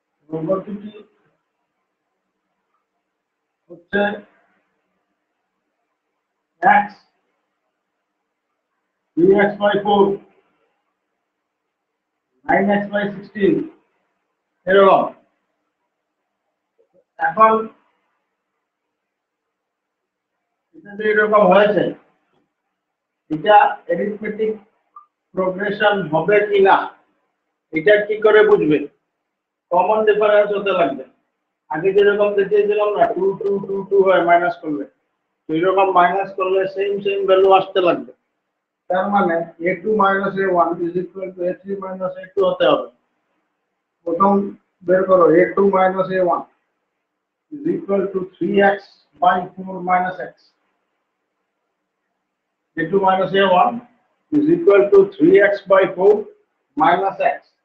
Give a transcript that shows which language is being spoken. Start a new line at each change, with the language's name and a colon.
Bangla: probability হচ্ছে x 3x by 4 9x by 16 এরকম. এখন এরকম হয়েছে, এটা অ্যারিথমেটিক প্রোগ্রেশন হবে কি না এটা কি করে বুঝবে? কমন ডিফারেন্স হতে লাগবে. আগে যেরকম দেখিয়েছিলাম না, টু টু টু টু হয় মাইনাস করলে, তো এরকম মাইনাস করলে সেম সেম ভ্যালু আসতে লাগবে.
English: তার মানে A two minus A one is equal to A three minus A two
Bangla: হতে হবে. প্রথম বের করো,
English: A two minus A one is equal to three x by four minus x. A2 minus A1 is equal to 3x by 4 minus x.